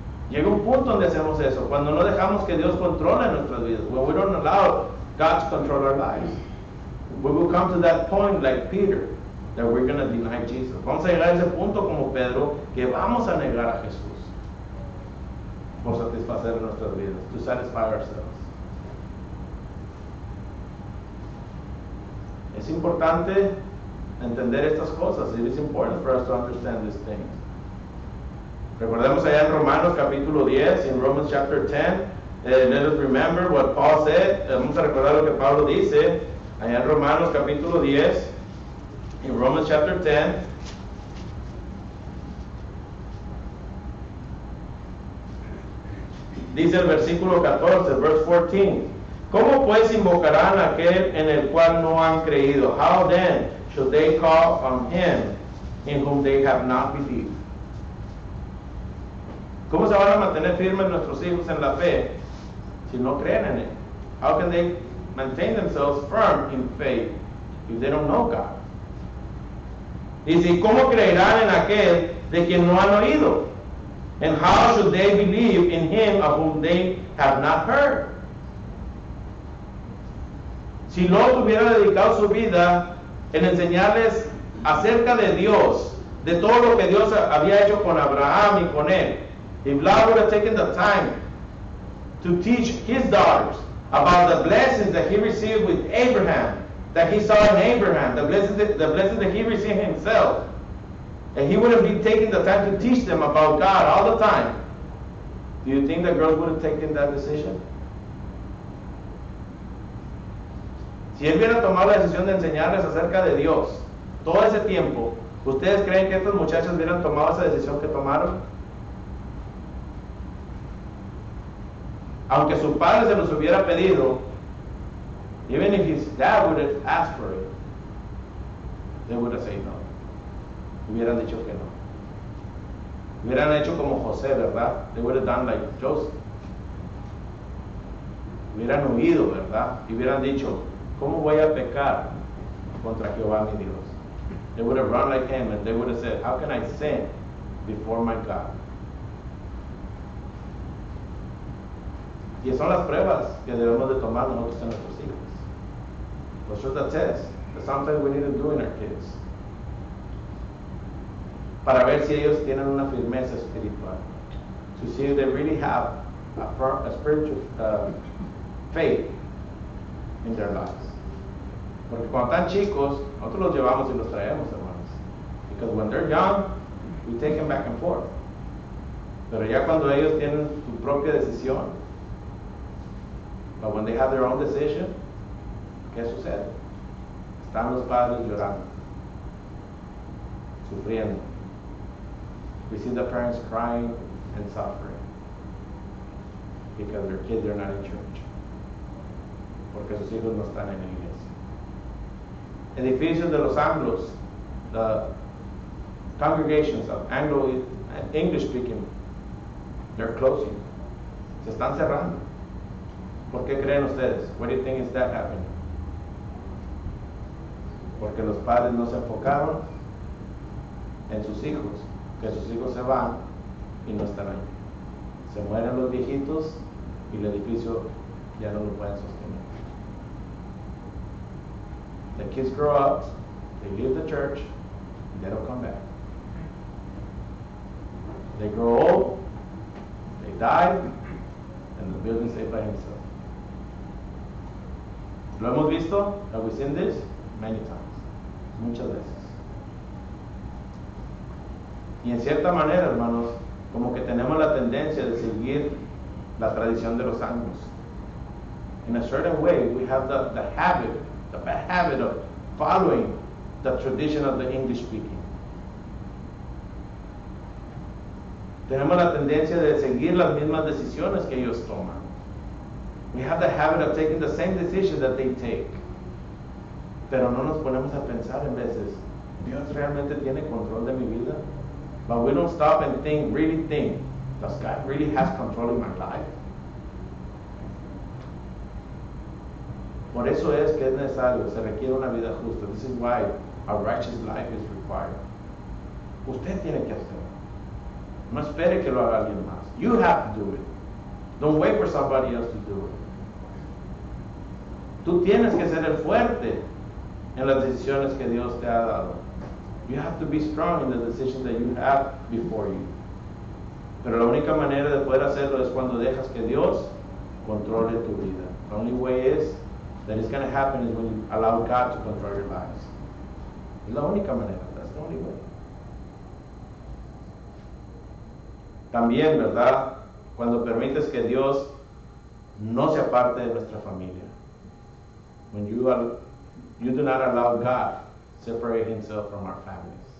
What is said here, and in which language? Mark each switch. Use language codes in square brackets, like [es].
[es] Llega un punto donde hacemos eso, cuando no dejamos que Dios controle nuestras vidas, [en] when we don't allow God to control our lives. We will come to that point like Peter, that we're going to deny Jesus. [es] Vamos a llegar a ese punto como Pedro, que vamos a negar a Jesús por satisfacer nuestras vidas, [en] to satisfy ourselves. [es] Es importante entender estas cosas. [en] It is important for us to understand these things. [es] Recordemos allá en Romanos capítulo 10, [en] in Romans chapter 10, let us remember what Paul said. [es] Vamos a recordar lo que Pablo dice. Allá en Romanos capítulo 10, [en] in Romans chapter 10, [es] dice el versículo 14, [en] verse 14, [es] ¿cómo pues invocarán a aquel en el cual no han creído? [en] How then should they call on him in whom they have not believed? [es] ¿Cómo se van a mantener firmes nuestros hijos en la fe si no creen en él? [en] How can they maintain themselves firm in faith if they don't know God? [es] Dice, ¿cómo creerán en aquel de quien no han oído? [en] And how should they believe in him of whom they have not heard? [es] Si no tuviera dedicado su vida en enseñarles acerca de Dios, de todo lo que Dios había hecho con Abraham y con él, [en] if Lot would have taken the time to teach his daughters about the blessings that he received with Abraham, that he saw in Abraham, the blessings that he received himself, and he would have been taking the time to teach them about God all the time, do you think the girls would have taken that decision? [es] Si él hubiera tomado la decisión de enseñarles acerca de Dios todo ese tiempo, ¿ustedes creen que estas muchachas hubieran tomado esa decisión que tomaron? Aunque su padre se los hubiera pedido, [en] even if his dad would have asked for it, they would have said no. [es] Hubieran dicho que no. Hubieran hecho como José, ¿verdad? [en] They would have done like Joseph. [es] Hubieran huido, ¿verdad? Y hubieran dicho, ¿cómo voy a pecar contra Jehová mi Dios? [en] They would have run like him and they would have said, how can I sin before my God? [es] Y son las pruebas que debemos de tomar nosotros en nuestros hijos. [en] Those are the tests that sometimes we need to do in our kids. [es] Para ver si ellos tienen una firmeza espiritual. [en] To see if they really have a spiritual faith in their lives. [es] Porque cuando están chicos, nosotros los llevamos y los traemos, hermanos. [en] Because when they're young, we take them back and forth. [es] Pero ya cuando ellos tienen su propia decisión, [en] but when they have their own decision, [es] ¿qué sucede? Están los padres llorando, sufriendo. [en] We see the parents crying and suffering because their kids are not in church. [es] Porque sus hijos no están en la iglesia. Edificios de los Anglos, [en] the congregations of English speaking, they're closing. [es] Se están cerrando. ¿Por qué creen ustedes? [en] What do you think is that happening? [es] Porque los padres no se enfocaron en sus hijos. Que sus hijos se van y no están ahí. Se mueren los viejitos y el edificio ya no lo pueden sostener. [en] The kids grow up, they leave the church, they don't come back. They grow old, they die, and the building stays by himself. [es] ¿Lo hemos visto? [en] Have we seen this? Many times. [es] Muchas veces. Y en cierta manera, hermanos, como que tenemos la tendencia de seguir la tradición de los Anglos. [en] In a certain way, we have the habit, the bad habit of following the tradition of the English speaking. [es] Tenemos la tendencia de seguir las mismas decisiones que ellos toman. [en] We have the habit of taking the same decisions that they take. [es] Pero no nos ponemos a pensar en veces, ¿Dios realmente tiene control de mi vida? [en] But we don't stop and think, really think, does God really have control in my life? [es] Por eso es que es necesario, se requiere una vida justa. [en] This is why a righteous life is required. [es] Usted tiene que hacerlo. No espere que lo haga alguien más. [en] You have to do it. Don't wait for somebody else to do it. [es] Tú tienes que ser el fuerte en las decisiones que Dios te ha dado. [en] You have to be strong in the decision that you have before you. [es] Pero la única manera de poder hacerlo es cuando dejas que Dios controle tu vida. [en] The only way is that it's going to happen is when you allow God to control your lives. [es] Es la única manera. [en] That's the only way. [es] También, ¿verdad? Cuando permites que Dios no sea parte de nuestra familia. [en] When you do not allow God separate himself from our families.